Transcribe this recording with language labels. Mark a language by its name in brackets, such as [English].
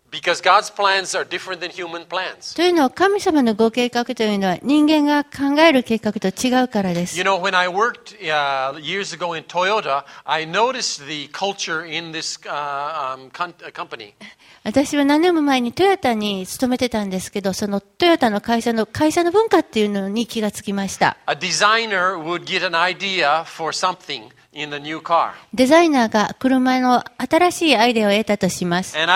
[English] Because God's plans are different than human plans. [Japanese] というのは、神様のご計画というのは人間が考える計画と違うからです。 [English] You know, when I worked years ago in Toyota, I noticed the culture in this company. [Japanese] 私は何年も前にトヨタに勤めてたんですけど、そのトヨタの会社の文化っていうのに気がつきました。 [English] A designer would get an idea for something. In the new car. [Japanese] デザイナーが車の新しいアイデアを得たとします。